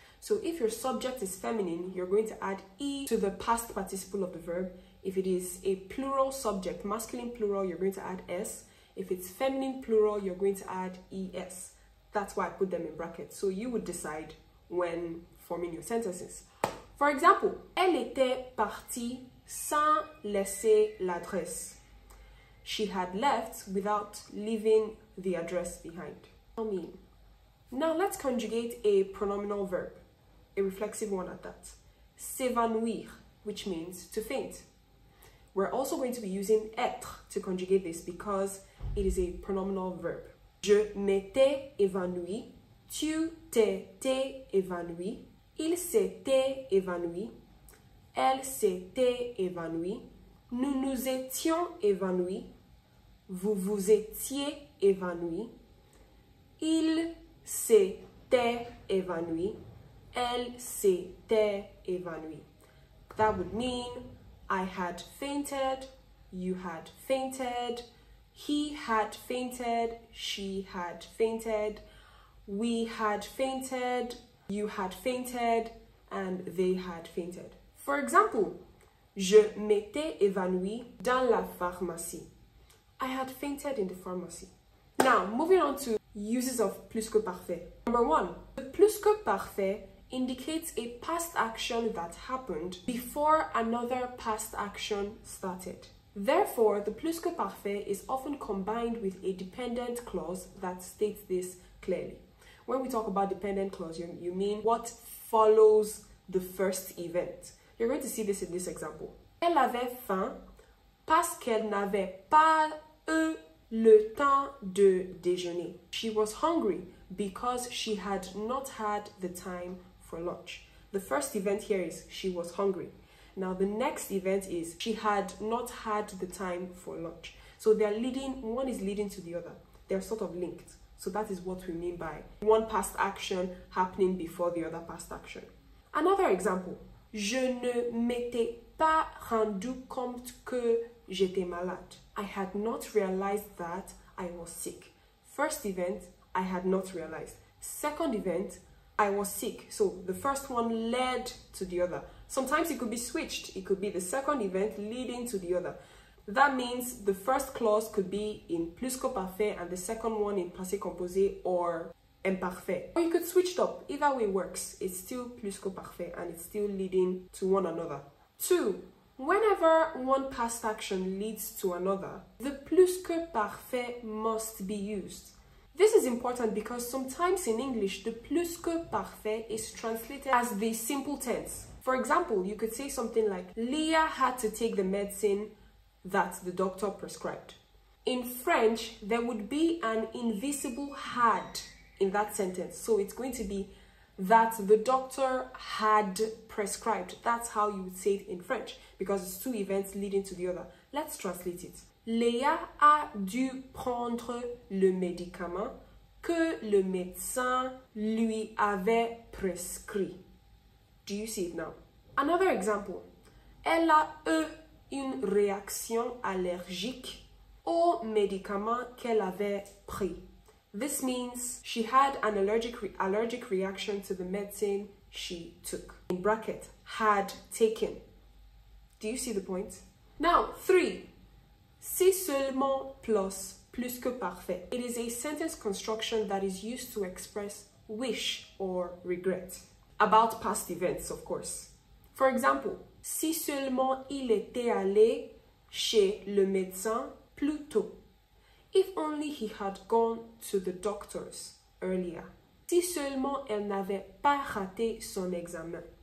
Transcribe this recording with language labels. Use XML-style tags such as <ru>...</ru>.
<en>So if your subject is feminine, you're going to add E to the past participle of the verb. If it is a plural subject, masculine plural, you're going to add S. If it's feminine plural, you're going to add ES. That's why I put them in brackets. So you would decide when forming your sentences.</en> <fr>For example, elle était partie sans laisser l'adresse.</fr> <en>She had left without leaving the address behind. Now let's conjugate a pronominal verb, a reflexive one at that. S'évanouir, which means to faint. We're also going to be using être to conjugate this because it is a pronominal verb.</en> <fr>Je m'étais évanoui, tu t'étais évanoui, il s'était évanoui, elle s'était évanoui, nous nous étions évanouis, vous vous étiez évanoui, il s'était évanoui, elle s'était évanoui.</fr> <en>That would mean I had fainted, you had fainted, he had fainted, she had fainted, we had fainted, you had fainted, and they had fainted. For example,</en> <fr>je m'étais évanoui dans la pharmacie.</fr> <en>I had fainted in the pharmacy. Now, moving on to Uses of plus-que-parfait. Number one, the plus-que-parfait indicates a past action that happened before another past action started. Therefore, the plus-que-parfait is often combined with a dependent clause that states this clearly. When we talk about dependent clause, you mean what follows the first event. You're going to see this in this example.</en> <fr>Elle avait faim parce qu'elle n'avait pas eu le temps de déjeuner.</fr> <en>She was hungry because she had not had the time for lunch. The first event here is she was hungry. Now the next event is she had not had the time for lunch. So they're leading, one is leading to the other. They're sort of linked. So that is what we mean by one past action happening before the other past action. Another example.</en> <fr>Je ne m'étais pas rendu compte que j'étais malade.</fr> <en>I had not realized that I was sick. First event, I had not realized. Second event, I was sick. So the first one led to the other. Sometimes it could be switched. It could be the second event leading to the other. That means the first clause could be in plus-que-parfait and the second one in passé composé or imparfait. Or you could switch it up. Either way works. It's still plus-que-parfait and it's still leading to one another. Two, whenever one past action leads to another, the plus-que-parfait must be used. This is important because sometimes in English, the plus-que-parfait is translated as the simple tense. For example, you could say something like, Leah had to take the medicine that the doctor prescribed. In French, there would be an invisible had in that sentence. So it's going to be that the doctor had prescribed. That's how you would say it in French because it's two events leading to the other. Let's translate it.</en> <fr>Léa a dû prendre le médicament que le médecin lui avait prescrit.</fr> <en>Do you see it now? Another example.</en> <fr>Elle a eu une réaction allergique aux médicaments qu'elle avait pris.</fr> <en>This means she had an allergic reaction to the medicine she took. In bracket, had taken. Do you see the point? Now, three. Si seulement plus que parfait. It is a sentence construction that is used to express wish or regret. About past events, of course. For example,</en> <fr>si seulement il était allé chez le médecin plus tôt.</fr> <en>If only he had gone to the doctors earlier.</en> <fr>Si seulement elle n'avait pas raté son examen.</fr>